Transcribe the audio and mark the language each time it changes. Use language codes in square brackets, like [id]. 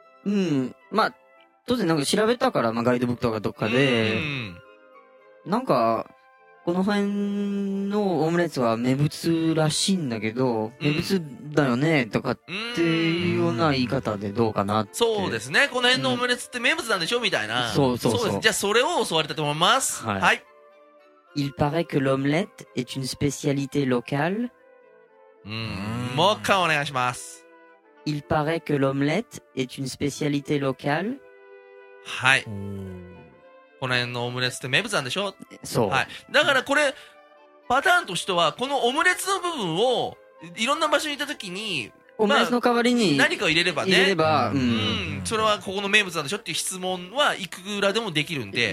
[ja] うん、まあ当然なんか調べたから、まあ、ガイドブックとかどっかで、うん、なんかこの辺のオムレツは名物らしいんだけど、うん、名物だよねとかっていうような言い方でどうかなって、うん、そうですね、この辺のオムレツって名物なんでしょ、うん、みたいな。そうそうそう、そうです。じゃあそれを教わりたいと思います。はい、はい、 [fr] Il paraît que l'omelette est une spécialité locale、 [ja] もう一回お願いします。 [fr] Il paraît que l'omelette est une spécialité locale、 [ja] はい、この辺のオムレツって名物なんでしょ。そう、はい、だからこれパターンとしてはこのオムレツの部分をいろんな場所に行った時にオムレツの代わりに、まあ、何かを入れればね、入れれば、うんうん、それはここの名物なんでしょっていう質問はいくらでもできるんで、